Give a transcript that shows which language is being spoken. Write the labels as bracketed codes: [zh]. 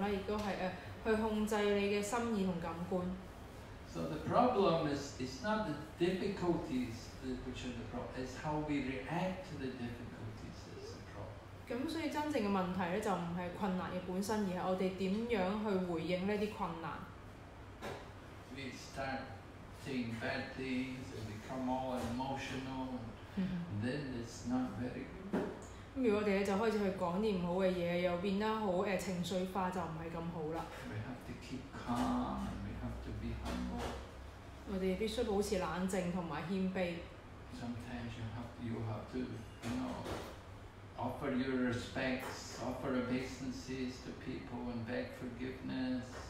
[zh] 對所有人都平等去控制你的心意和感官。 [en] So the problem is not the difficulties which are the problem, it's how we react to the difficulties that's the problem. [zh] 所以真正的問題就不是困難的本身，而是我們怎樣去回應這些困難。 [en] We start seeing bad things and become all emotional, then it's not very good. [zh] 如果我們就開始去講念不好的東西，又變得很情緒化，就不是那麼好了。 [en] We have to keep calm and we have to be humble. [zh] 我們必須保持冷靜和謙卑。 [en] Sometimes you have to, you know, offer your respects, offer obeisances to people and beg forgiveness.